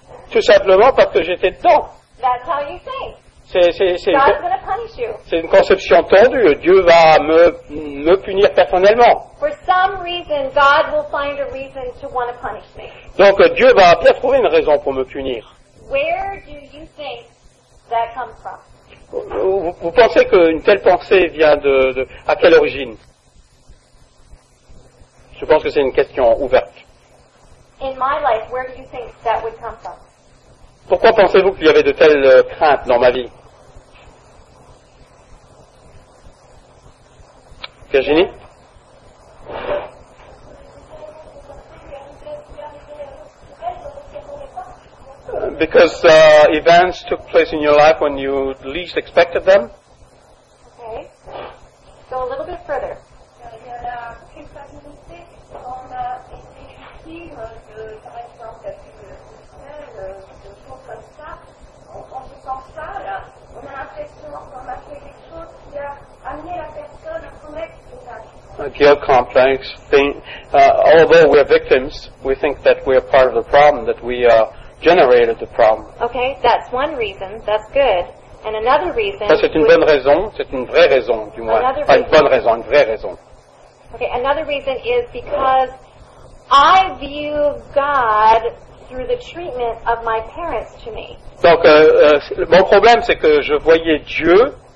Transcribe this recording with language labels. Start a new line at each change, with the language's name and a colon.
French: Tout simplement parce que j'étais dedans.
English: That's how you think.
French: C'est une conception tendue. Dieu va me punir personnellement.
English: For some reason, God will find a reason to want to punish me.
French: Donc Dieu va bien trouver une raison pour me punir.
English: Where do you think that comes from?
French: Vous pensez qu'une telle pensée vient de à quelle origine? Je pense que c'est une question ouverte.
English: In my life, where do you think that would come from?
French: Pourquoi pensez-vous qu'il y avait de telles craintes dans ma vie? Virginie?
English: Because events took place in your life when you least expected them. Okay. Go a little bit further. Guilt complex. Although we're victims, we think that we're part of the problem, that we generated the problem. Okay, that's one reason. That's good. And another reason.
French: Ça, c'est une bonne raison. C'est une vraie raison, du moins. Une vraie raison.
English: Okay, another reason is because I view God through the treatment of my parents to me.
French: Donc, mon problème, c'est que je voyais Dieu.